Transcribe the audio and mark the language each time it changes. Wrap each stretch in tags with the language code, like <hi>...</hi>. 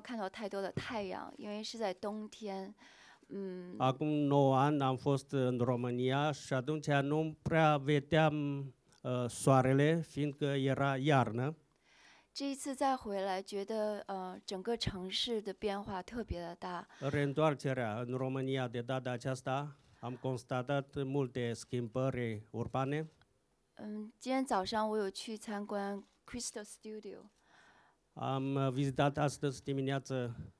<zh>我9年前来过一次罗马尼亚，当时我没有看到太多的太阳，因为是在冬天。</zh> <ro>Acum 9 ani am fost în România și atunci nu prea vedeam soarele, fiindcă era iarnă.</ro> <zh>这一次再回来，觉得整个城市的变化特别的大。</zh> <ro>Reîntoarcerea în România de data aceasta, am constatat multe schimbări urbane.</ro> <zh>今天早上我有去参观Crystal Studio.</zh> <ro>Am vizitat astăzi dimineață</ro>